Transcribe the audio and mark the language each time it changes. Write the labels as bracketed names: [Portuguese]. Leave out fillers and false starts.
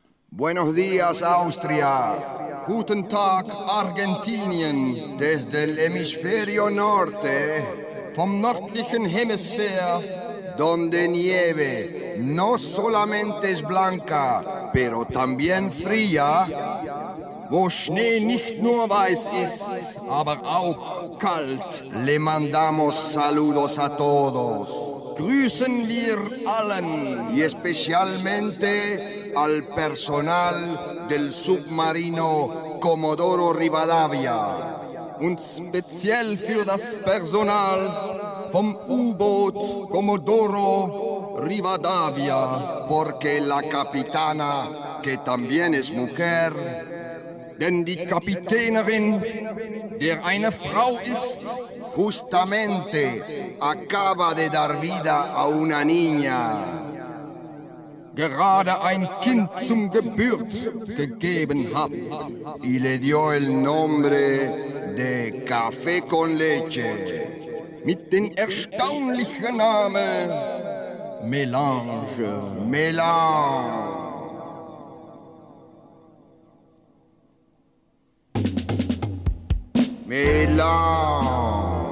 [Spanish] Buenos días, Austria. [German] Guten Tag, Argentinien. [Spanish] Desde el hemisferio norte. [German] Vom nördlichen Hemisphere. [Spanish] Donde nieve no solamente es blanca, pero también fría. [German] Wo Schnee nicht nur weiß ist, aber auch kalt. [Spanish] Le mandamos saludos a todos. [German] Grüßen wir allen. [Spanish] Y especialmente al personal del submarino Comodoro Rivadavia. [German] Und speziell für das Personal vom U-Boot Comodoro Rivadavia. [Spanish] Porque la capitana, que también es mujer, [German] denn die Kapitänerin, der eine Frau ist, [Spanish] justamente acaba de dar vida a una niña. [German] Gerade ein Kind zum Geburt gegeben hat. [Spanish] Y le dio el nombre de Café con Leche. [German] Mit dem erstaunlichen Namen Melange. Melange. Melange.